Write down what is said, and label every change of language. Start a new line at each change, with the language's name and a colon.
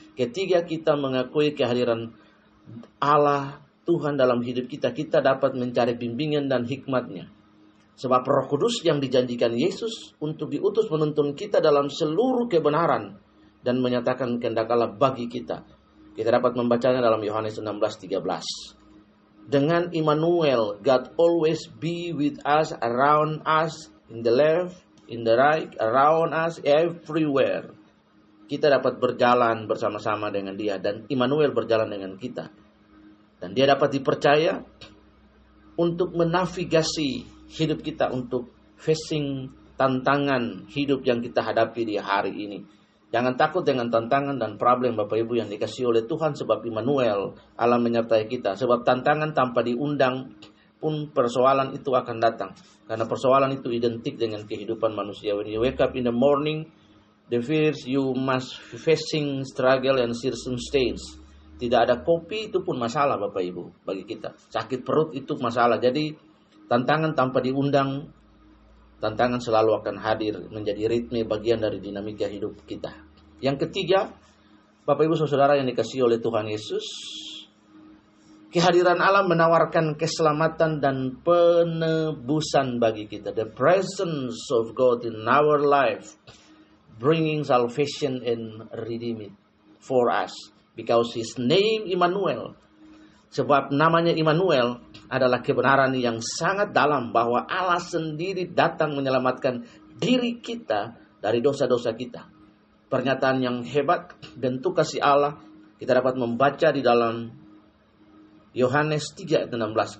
Indonesian: Ketika kita mengakui kehadiran Allah Tuhan dalam hidup kita. Kita dapat mencari bimbingan dan hikmatnya. Sebab Roh Kudus yang dijanjikan Yesus untuk diutus menuntun kita dalam seluruh kebenaran. Dan menyatakan kehendak Allah bagi kita. Kita dapat membacanya dalam Yohanes 16:13. Dengan
English: Immanuel, God always be with us, around us, in the left, in the right, around us, everywhere.
Indonesian: Kita dapat berjalan bersama-sama dengan Dia, dan Immanuel berjalan dengan kita. dan dia dapat dipercaya untuk menavigasi hidup kita, untuk facing tantangan hidup yang kita hadapi di hari ini. Jangan takut dengan tantangan dan problem, Bapak Ibu yang dikasihi oleh Tuhan, sebab Immanuel, Allah menyertai kita. Sebab tantangan tanpa diundang pun persoalan itu akan datang, karena persoalan itu identik dengan kehidupan manusia.
English: When you wake up in the morning, the fears you must facing struggle and circumstances.
Indonesian: Tidak ada kopi itu pun masalah, Bapak Ibu, bagi kita. Sakit perut itu masalah. Jadi tantangan tanpa diundang, tantangan selalu akan hadir menjadi ritme bagian dari dinamika hidup kita. Yang ketiga, Bapak Ibu Saudara yang dikasihi oleh Tuhan Yesus, kehadiran Allah menawarkan keselamatan dan penebusan bagi kita.
English: The presence of God in our life bringing salvation and redeeming for us. Because his name Immanuel.
Indonesian: Sebab namanya Immanuel adalah kebenaran yang sangat dalam, bahwa Allah sendiri datang menyelamatkan diri kita dari dosa-dosa kita. Pernyataan yang hebat, bentuk kasih Allah, kita dapat membaca di dalam Yohanes 3:16.